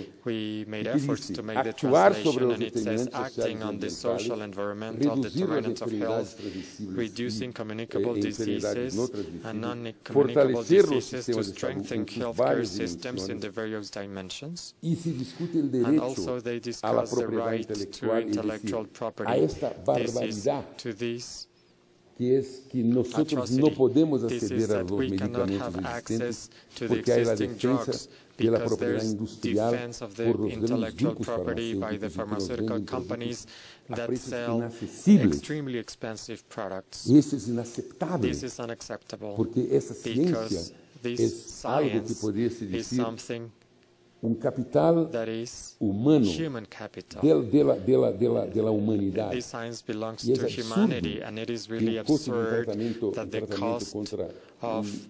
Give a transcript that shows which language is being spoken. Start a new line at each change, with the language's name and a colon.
English: We made efforts to make the translation, and it says acting on the social, environmental determinants of health, reducing communicable diseases and non-communicable diseases to strengthen healthcare systems in the various dimensions. And also they discuss the right to intellectual property. This is to this
Spanish: que es que nosotros no podemos acceder a los medicamentos existentes porque hay la defensa de la propiedad industrial por los grandes grupos farmacéuticos
English: that sell extremely expensive products.
Spanish: Y eso es inaceptable,
English: this is unacceptable,
Spanish: porque esa ciencia es algo que podría ser decir un capital
English: that is
Spanish: humano,
English: human capital.
Spanish: De la humanidad.
English: This science belongs to humanity, and it is really absurd that the cost of